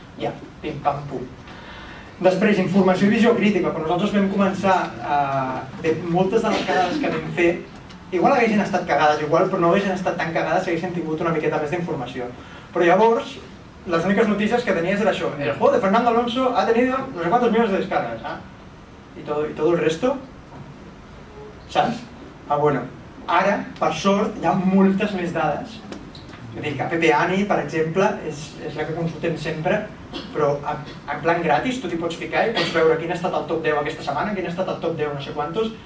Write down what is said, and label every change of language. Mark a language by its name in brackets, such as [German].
[Catalan] Ja, pim, pam, pum. Després, informació i visió crítica. Quan nosaltres vam començar, moltes de les cagades que vam fer, igual haguessin estat cagades, igual, però no haguessin estat tan cagades si haguessin tingut una miqueta més d'informació. Però llavors, les úniques notícies que tenies era això. [Spanish] El juego de Fernando Alonso ha tenido no sé cuántos millones de descargas. ¿Eh? ¿Y todo el resto? [Catalan] ¿Saps? [Spanish] Ah, bueno. [Catalan] Ara, per sort, hi ha moltes més dades. És a dir, que AppAni, per exemple, és la que consultem sempre, però en plan gratis tu t'hi pots ficar i pots veure quin ha estat el top 10 aquesta setmana, quin ha estat el top 10 no sé quantos.